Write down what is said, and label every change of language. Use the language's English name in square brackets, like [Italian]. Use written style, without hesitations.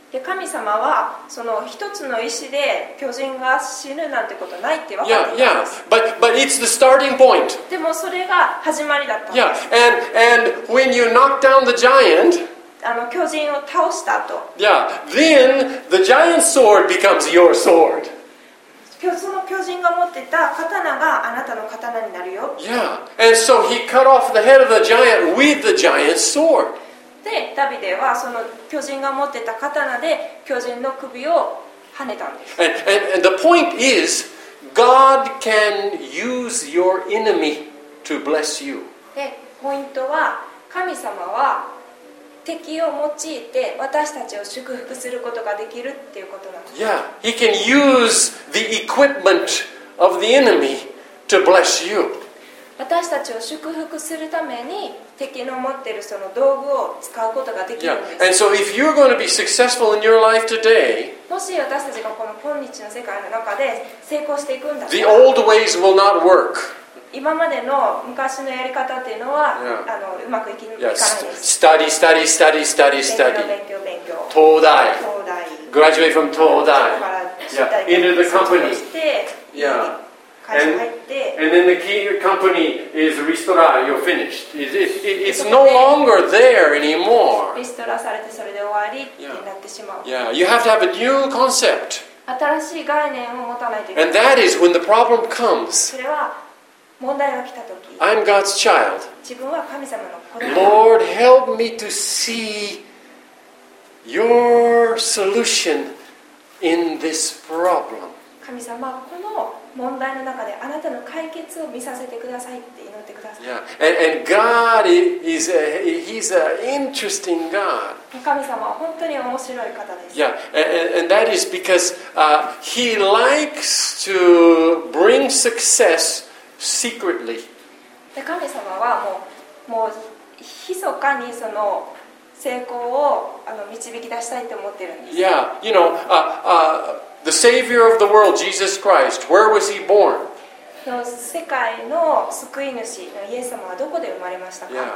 [Japanese] 神様はその一つの石で巨人が死ぬなんてことないって分かった。 [English] But it's the starting point. [Japanese] でもそれが始まりだった。 [English] Yeah, and when you knock down the giant, [Japanese] 巨人を倒した後。 [English] Yeah, then the giant sword becomes your sword. [Japanese] その巨人が持ってた刀があなたの刀になるよ。 [English] Yeah, and so he cut off the head of the giant with the giant sword. [Japanese] で、ダビデはその巨人が持ってた刀で巨人の首を跳ねたんです。 [English] And the point is, God can use your enemy to bless you. [Japanese] で、ポイントは神様は敵を用いて私たちを祝福することができるっていうことなんです。 [English] Yeah, he can use the equipment of the enemy to bless you. [Japanese] 私たちを祝福するために敵の持ってるその道具を使うことができるんです。 [English] Yeah, and so if you're going to be successful in your life today, [Japanese] もし私たちがこの今日の世界の中で成功していくんだったら、 [English] the old ways will not work. [Japanese] 今までの昔のやり方っていうのは、yeah. あのうまくいかないです。 [English] Study, study, study, study, study. [Japanese] 勉強、勉強、勉強。東大。 [English] Graduate from 東大。 Yeah. Into the company. Yeah. And then the key company is Ristora. You're finished. It's no longer there anymore. [Japanese] リストラされてそれで終わりになってしまう。 [English] Yeah. You have to have a new concept. [Japanese] 新しい概念を持たないといけない。 [English] And that is when the problem comes. [Japanese] 問題が来た時、 [English] I'm God's child. [Japanese] 自分は神様の子供。 [English] Lord, help me to see your solution in this problem. [Japanese] 神様、この問題の中であなたの解決を見させてくださいって祈ってください。 [English] Yeah. And God is he's an interesting God. [Japanese] 神様は本当に面白い方です。 [English] Yeah. And that is because he likes to bring successSecretly. [Japanese] 神様はもう密かにその成功を導き出したいと思ってるんです。 [English] Yeah, you know, the Savior of the world, Jesus Christ. Where was he born? [Japanese] 世界の救い主のイエス様はどこで生まれましたか